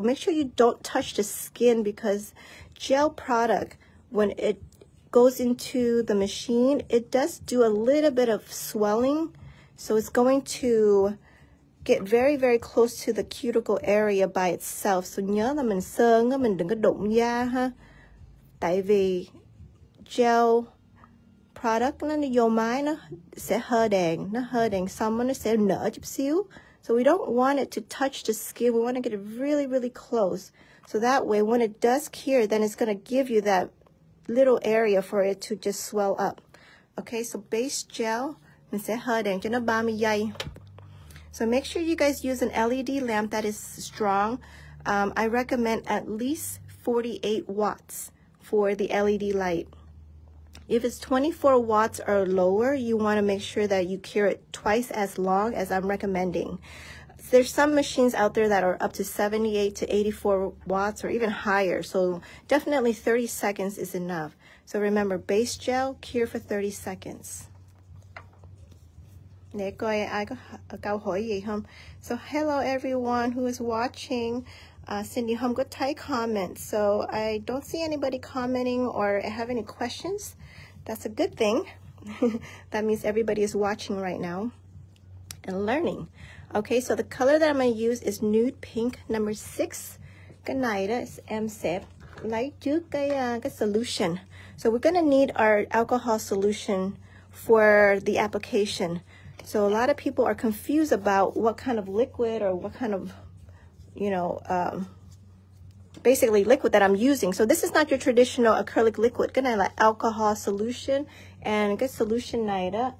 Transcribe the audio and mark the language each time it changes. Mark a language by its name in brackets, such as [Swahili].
[English] Make sure you don't touch the skin, because gel product, when it goes into the machine, it does do a little bit of swelling. So it's going to get very, very close to the cuticle area by itself. So [Vietnamese] nhớ là mình sơn, mình đừng có đụng da ha. Tại vì gel product nó vô máy, nó sẽ hơ đèn xong nó sẽ nở chút xíu. [English] So we don't want it to touch the skin. We want to get it really, really close. So that way, when it does cure, then it's going to give you that little area for it to just swell up. [Vietnamese] Okay, so base gel, mình sẽ hơ đèn cho nó 30 giây. [English] So make sure you guys use an LED lamp that is strong. I recommend at least 48 watts for the LED light. If it's 24 watts or lower, you want to make sure that you cure it twice as long as I'm recommending. There's some machines out there that are up to 78 to 84 watts or even higher. So definitely 30 seconds is enough. So remember, base gel, cure for 30 seconds. [Vietnamese] Để coi ai có câu hỏi gì không. [English] So hello everyone who is watching. [Vietnamese] Cindy không có thấy comments. [English] So I don't see anybody commenting or have any questions. That's a good thing. That means everybody is watching right now and learning. Okay, so the color that I'm going to use is nude pink number 6. [Vietnamese] Cái này đó, em sẽ lấy trước cái solution. [English] So we're going to need our alcohol solution for the application. So a lot of people are confused about what kind of liquid or what kind of, you know, basically liquid that I'm using. So this is not your traditional acrylic liquid. Gonna like alcohol solution and get solution night.